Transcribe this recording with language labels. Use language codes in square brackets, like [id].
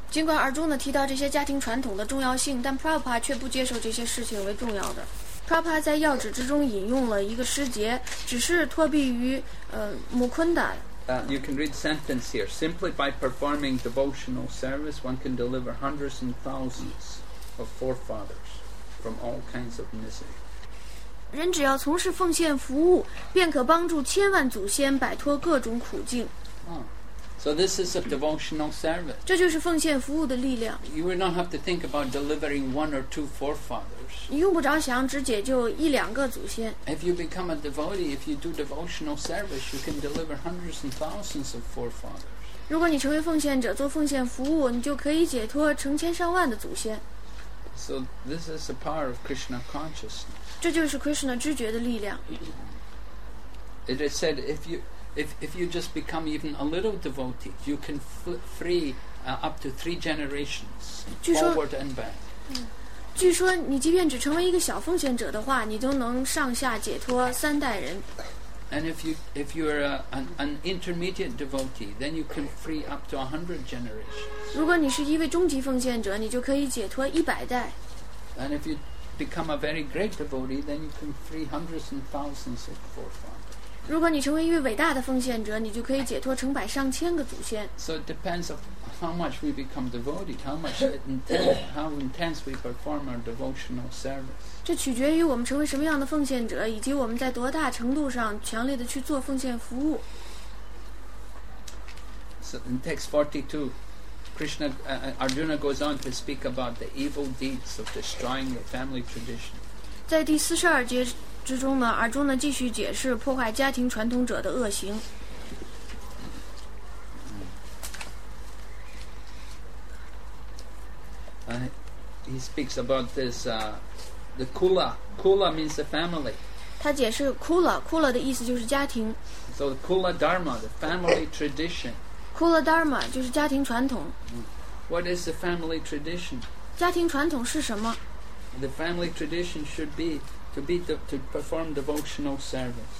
[zh] 尽管 Arjuna 提到这些家庭传统的重要性，但 Prabhupada 却不接受这些事情为重要的。 Prabhupada 在要旨之中引用了一个诗节，只是托庇于Mukunda。 [en] You can read the sentence here. Simply by performing devotional service, one can deliver hundreds and thousands of forefathers from all kinds of misery. [zh] 人只要从事奉献服务，便可帮助千万祖先摆脱各种苦境。 [en] So this is a devotional service. [zh] 这就是奉献服务的力量。 [en] You will not have to think about delivering one or two forefathers. [zh] 你用不着想只解救一两个祖先。 [en] If you become a devotee, if you do devotional service, you can deliver hundreds and thousands of forefathers. [zh] 如果你成为奉献者，做奉献服务，你就可以解脱成千上万的祖先。 [en] So this is the power of Krishna consciousness. [zh] 这就是 Krishna 知觉的力量。 [en] It is said if you just become even a little devotee, you can free up to three generations forward and back. [zh] 据说你即便只成为一个小奉献者的话，你都能上下解脱三代人。 [en] And if you are an intermediate devotee, then you can free up to 100 generations. [zh] 如果你是一位中级奉献者，你就可以解脱一百代。 [en] And if you become a very great devotee, then you can free hundreds and thousands of forefathers. [zh] 如果你成为一位伟大的奉献者，你就可以解脱成百上千个祖先。 [en] So it depends on how much we become devoted, how intense we perform our devotional service. [zh] 这取决于我们成为什么样的奉献者，以及我们在多大程度上强烈的去做奉献服务。 [en] So in text 42, Krishna, Arjuna goes on to speak about the evil deeds of destroying the family tradition. [zh] 在第四十二节。之中呢，阿中呢继续解释破坏家庭传统者的恶行。 [en] He speaks about this. The kula means the family. [zh] 他解释 kula 的意思就是家庭。 [en] So the kula dharma, the family tradition. [zh] Kula dharma 就是家庭传统。 [en] What is the family tradition? [zh] 家庭传统是什么？ [en] The family tradition should be to be the, to perform devotional service.